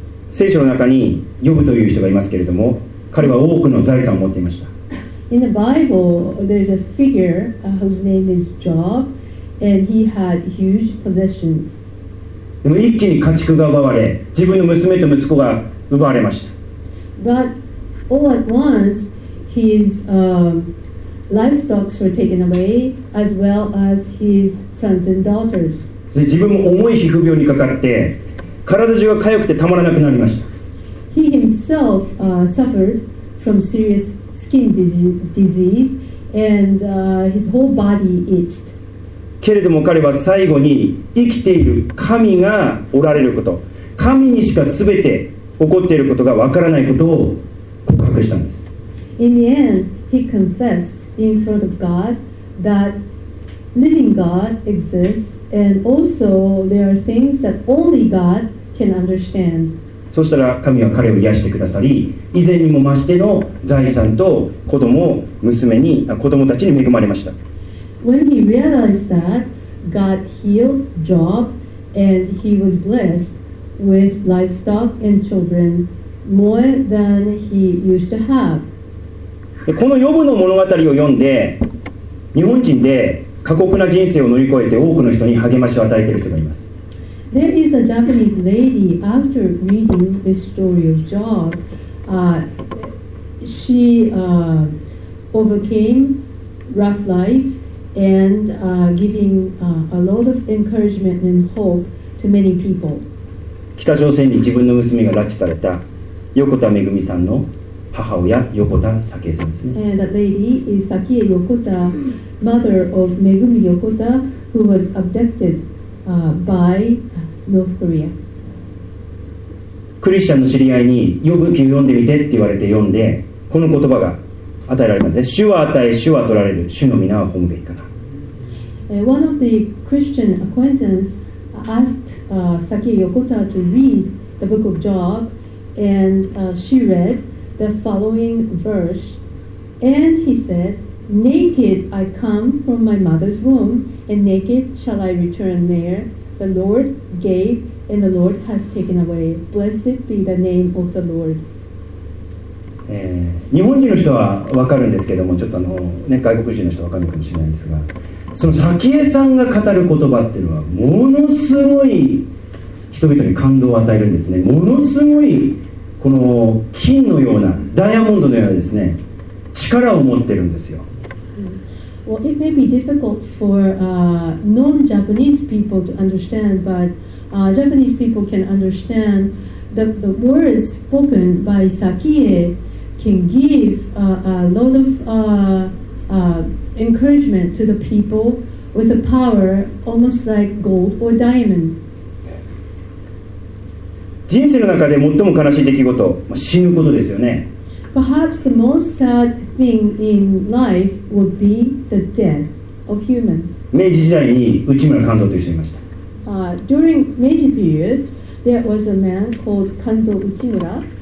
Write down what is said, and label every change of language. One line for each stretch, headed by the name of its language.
Japanese: 聖書の中にヨブという人がいますけれども、彼は多くの財産を持っていました。
English: In the Bible, there's a figure whose name is Job, and he had huge possessions.
Japanese: でも一気に家畜が奪われ、自分の娘と息子が奪われました。
English: But all at once, his livestock were taken away, as well as his sons and daughters.
Japanese: 自分も重い皮膚病にかかって、体中が痒くてたまらなくなりました。
English: He himself, suffered from serious skin disease, and, his whole body itched.
Japanese: けれども彼は最後に生きている神がおられること、神にしか全て起こっていることがわからないことを告白したんです。
English: In the end, he confessed. In front of God, that living God exists, and also there are things that only God can understand.
Japanese: そしたら神は彼を癒してくださり、以前にも増しての財産と子供、娘に、子供たちに恵まれました。
English: When he realized that, God healed Job, and he was blessed with livestock and children more than he used to have.
Japanese: このヨブの物語を読んで、日本人で過酷な人生を乗り越えて多くの人に励ましを与えている人がいます。
English: There is a Japanese lady after reading the story of Job. She, overcame rough life and, giving, a lot of encouragement and hope to many people.
Japanese: 北朝鮮に自分の娘が拉致された横田めぐみさんの母親横田さきえさんですね。
English: And that lady is Sakie Yokota, mother of Megumi Yokota, who was abducted, by North Korea.
Japanese: クリスチャンの知り合いに「ヨブ記を読んでみて」って言われて読んで、この言葉が与えられたんです。主は与え、主は取られる、主の皆は褒むべきかな。
English: One of the Christian acquaintance asked Saki Yokota to read the book of Job, and she read the following verse, and he said, "Naked I come from my mother's womb, and naked shall I return there. The Lord gave, and the Lord has taken away. Blessed be the name of the Lord."
Japanese: 日本人の人は分かるんですけども、ちょっとね、外国人の人は分かるかもしれないんですが、その早紀江さんが語る言葉っていうのはものすごい人々に感動を与えるんですね。ものすごいこの金のようなダイヤモンドのようなですね、力を持ってるんですよ。
English: Well, it may be difficult for non-Japanese people to understand, but Japanese people can understand the words spoken by Sakie can give a lot of encouragement to the people with a power almost like gold or diamond.
Japanese: 人生の中で最も悲しい出来事、死ぬことですよね。
English: Perhaps the most sad thing in life would be the death of human.
Japanese: 明治時代に内村鑑三という人いました。
English: During Meiji period,There was a man called Kanzo Uchimura.